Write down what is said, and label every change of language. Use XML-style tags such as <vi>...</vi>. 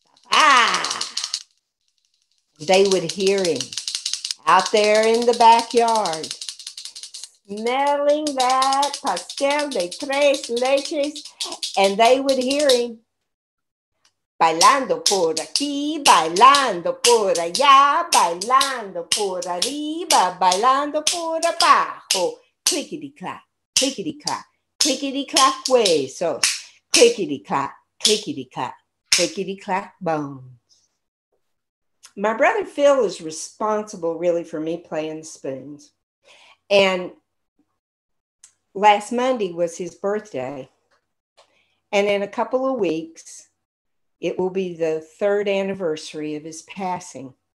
<en>Ah! They would hear him out there in the backyard. Smelling that</en> <es>pastel de tres leches,</es> <en>and they would hear him.</en> <es>Bailando por aquí, bailando por allá, bailando por arriba, bailando por abajo. Clickety-clack, clickety-clack, clickety-clack huesos.</es> <en>Clickety-clack, clickety-clack, clickety-clack bones. My brother Phil is responsible, really, for me playing spoons. And last Monday was his birthday, and in a couple of weeks, it will be the third anniversary of his passing.</en>